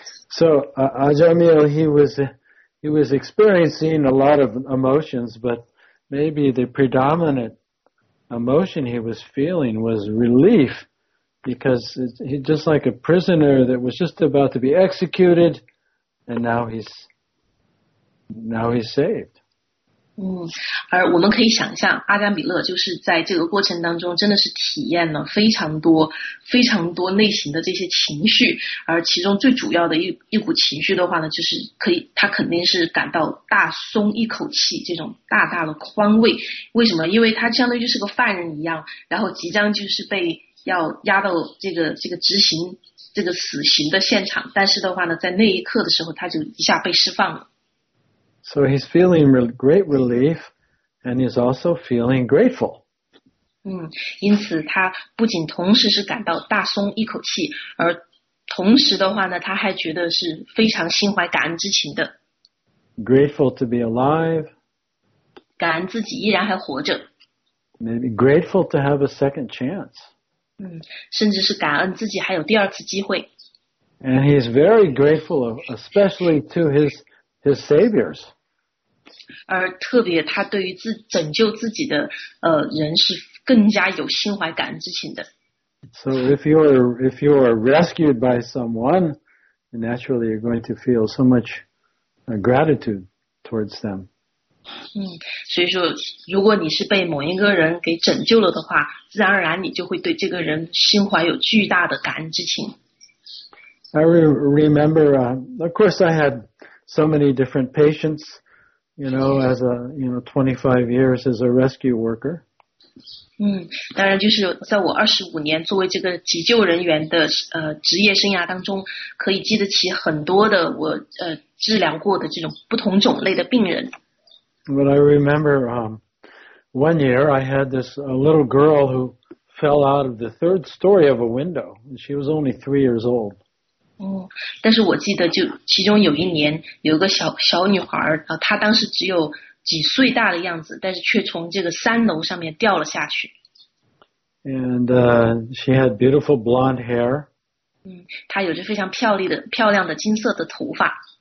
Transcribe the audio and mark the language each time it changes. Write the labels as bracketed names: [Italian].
[English] So, Ajamil, he was experiencing a lot of emotions, but maybe the predominant emotion he was feeling was relief, because he just like a prisoner that was just about to be executed, and now he's saved. [Chinese] 而我们可以想象阿扎米勒就是在这个过程当中真的是体验了非常多非常多类型的这些情绪，而其中最主要的一股情绪的话呢，就是可以他肯定是感到大松一口气，这种大大的宽慰。为什么？因为他相当于是个犯人一样，然后即将就是被要押到这个执行这个死刑的现场，但是的话呢，在那一刻的时候他就一下被释放了。 [English] So he's feeling great relief, and he's also feeling grateful. [Chinese] 因此他不仅同时是感到大松一口气，而同时的话呢，他还觉得是非常心怀感恩之情的。 [English] Grateful to be alive. [Chinese] 感恩自己依然还活着。 [English] Maybe grateful to have a second chance. [Chinese] 甚至是感恩自己还有第二次机会。 [English] And he's very grateful, especially to his saviors. [Chinese] 而特别他对于拯救自己的人是更加有心怀感恩之情的。 [English] So if you are rescued by someone, naturally you're going to feel so much gratitude towards them. [Chinese] 所以说如果你是被某一个人给拯救了的话，自然而然你就会对这个人心怀有巨大的感恩之情。 [English] I remember, of course I had so many different patients, as a, 25 years as a rescue worker. [Chinese] 当然就是在我25年作为这个急救人员的职业生涯当中，可以记得起很多的我治疗过的这种不同种类的病人。 [English] But I remember, one year I had this a little girl who fell out of the third story of a window. She was only 3 years old. [Chinese] 但是我记得就其中有一年有个小女孩，她当时只有几岁大的样子，但是却从这个三楼上面掉了下去。 [English] And she had beautiful blonde hair. [Chinese] 她有着非常漂亮的金色的头发。